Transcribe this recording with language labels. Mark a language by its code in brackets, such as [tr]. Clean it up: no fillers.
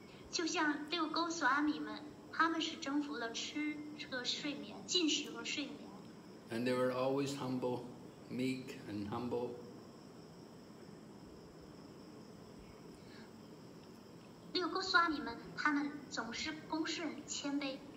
[zh] 就像六勾索阿米们，他们是征服了吃和睡眠，进食和睡眠。 [en] And they were always humble, meek and humble. [zh] 六勾索阿米们，他们总是恭顺谦卑。